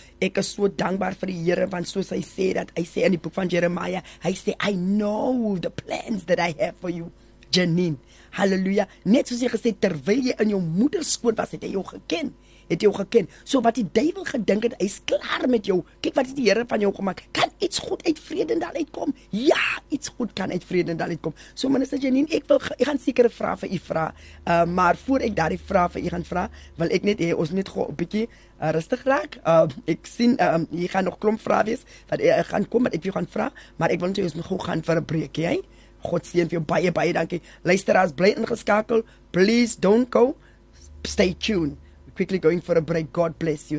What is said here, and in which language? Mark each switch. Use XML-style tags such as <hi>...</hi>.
<af>Ek is so dankbaar vir die Here, want soos hy sê, dat hy sê in die boek van Jeremiah, hy sê,</af> <en>I know the plans that I have for you, Janine.</en> <af>Halleluja, net soos jy gesê, terwyl jy in jou moeder skoot was, het jy jou geken. So wat die duivel gedink het, hy is klaar met jou. Kyk wat het die Here van jou gemaak. Kan iets goed uit Vredendal uitkom? Ja, iets goed kan uit Vredendal uitkom. So minister Janine, ek gaan sekere vrae vir u vra. Maar voor ek daardie vrae vir u gaan vra, wil ek net hê ons net gou 'n bietjie rustig raak. Ek sien jy gaan nog klomp vrae wees wat jy gaan kom wat ek jou gaan vra, maar ek wil net hê ons moet gou gaan vir 'n breek, jy. God seën vir jou baie dankie. Luisteraars, bly ingeskakel.</af> <en>Please don't go. Stay tuned. Quickly going for a break. God bless you.</en>